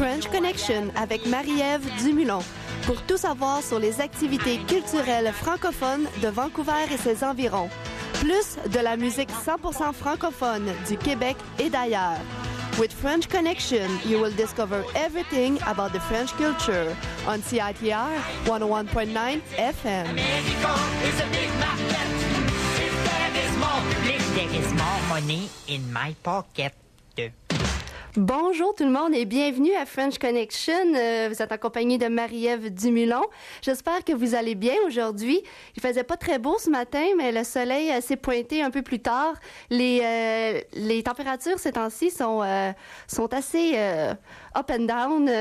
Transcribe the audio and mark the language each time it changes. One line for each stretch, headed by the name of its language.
French: Connection avec Marie-Ève Dumoulin pour tout savoir sur les activités culturelles francophones de Vancouver et ses environs, plus de la musique 100% francophone du Québec et d'ailleurs.
English: With French Connection, you will discover everything about the French culture on CITR 101.9 FM.
French: Bonjour tout le monde et bienvenue à French Connection. Vous êtes en compagnie de Marie-Ève Dumoulin. J'espère que vous allez bien aujourd'hui. Il faisait pas très beau ce matin, mais le soleil s'est pointé un peu plus tard. Les températures ces temps-ci sont assez
English: up and down.